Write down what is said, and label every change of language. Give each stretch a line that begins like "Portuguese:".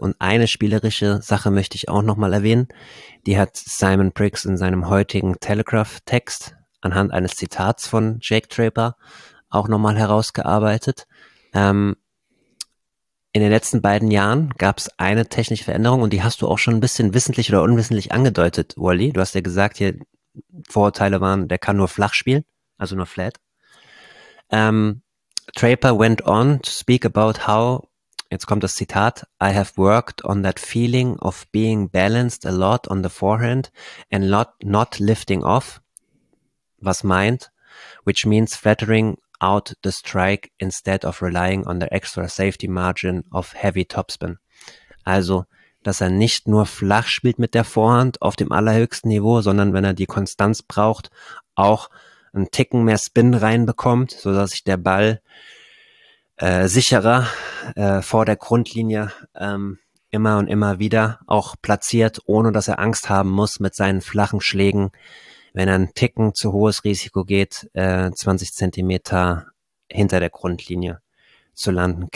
German: Und eine spielerische Sache möchte ich auch nochmal erwähnen. Die hat Simon Briggs in seinem heutigen Telegraph-Text anhand eines Zitats von Jake Traper auch nochmal herausgearbeitet. In den letzten beiden Jahren gab es eine technische Veränderung und die hast du auch schon ein bisschen wissentlich oder unwissentlich angedeutet, Wally. Du hast ja gesagt, hier Vorurteile waren, der kann nur flach spielen, also nur flat.
English: Traper went on to speak about how,
German: jetzt kommt das Zitat,
English: I have worked on that feeling of being balanced a lot on the forehand and not lifting off,
German: was meint,
English: which means flattering out the strike instead of relying on the extra safety margin of heavy topspin.
German: Also, dass er nicht nur flach spielt mit der Vorhand auf dem allerhöchsten Niveau, sondern wenn er die Konstanz braucht, auch einen Ticken mehr Spin reinbekommt, sodass sich der Ball sicherer vor der Grundlinie immer und immer wieder auch platziert, ohne dass er Angst haben muss mit seinen flachen Schlägen, wenn er einen Ticken zu hohes Risiko geht, 20 Zentimeter hinter der Grundlinie zu landen.